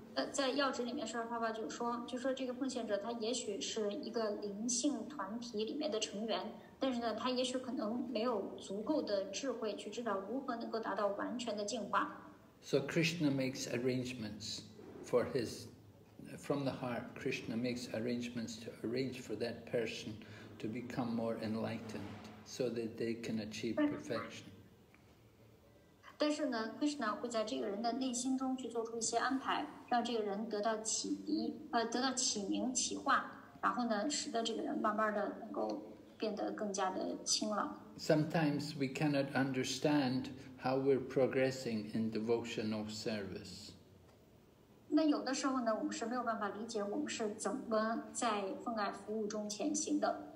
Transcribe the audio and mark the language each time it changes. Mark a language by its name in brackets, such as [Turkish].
[Chinese] 在要旨里面，释迦牟尼佛就说这个奉献者他也许是一个灵性团体里面的成员，但是呢，他也许可能没有足够的智慧去知道如何能够达到完全的净化。 [English] So Krishna makes arrangements for his, from the heart, Krishna makes arrangements to arrange for that person to become more enlightened so that they can achieve perfection. [Chinese] 但是呢 ，Krishna 会在这个人的内心中去做出一些安排。让这个人得到启迪，得到启明启化，然后呢，使得这个人慢慢的能够变得更加的清朗。 [English] Sometimes we cannot understand how we're progressing in devotional service. [Chinese] 那有的时候呢，我们是没有办法理解我们是怎么在奉爱服务中前行的。